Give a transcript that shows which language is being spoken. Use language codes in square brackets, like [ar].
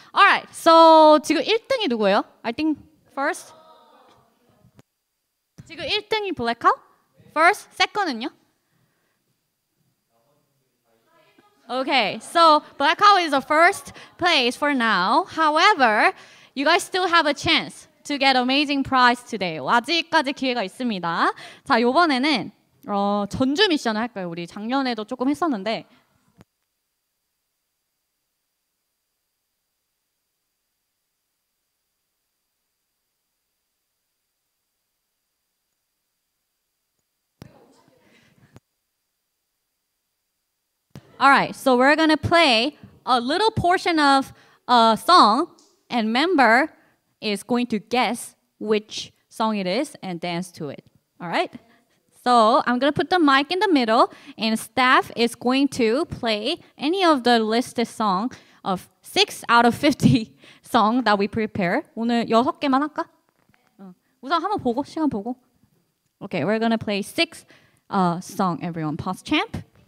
[en] All right, so [ko] 지금 1등이 누구예요? [en] I think first. [ko] 지금 1등이 블랙아웃? [en] First, [ko] second은요? [en] Okay, so Blackout is the first place for now. However, you guys still have a chance to get amazing prize today. [ko] 아직까지 기회가 있습니다. 자, 이번에는 전주 미션을 할 거예요. 우리 작년에도 조금 했었는데. [en] 알라이, so we're gonna play a little portion of a song and member is going to guess which song it is and dance to it. Alright? So I'm gonna put the mic in the middle and staff is going to play any of the listed song of 6 out of 50 song that we prepare. [ko] 오늘 6개만 할까? 우선 한번 보고, 시간 보고. [en] Okay, we're gonna play 6 song, everyone. Pause champ.